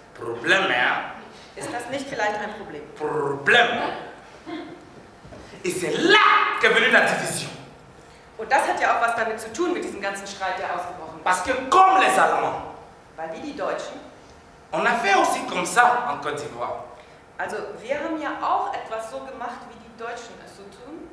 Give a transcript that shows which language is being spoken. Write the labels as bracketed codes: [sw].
[de] Problem, ja. Ist das nicht vielleicht ein Problem? Problem. [fr] Et c'est là qu'est venue la division. [de] Und das hat ja auch was damit zu tun, mit diesem ganzen Streit, der ausgebrochen ist. [fr] Parce que comme les Allemands, [de] weil wie die Deutschen. [fr] On a fait aussi comme ça en Côte d'Ivoire. [de] Also, wir haben ja auch etwas so gemacht, wie die Deutschen es so tun.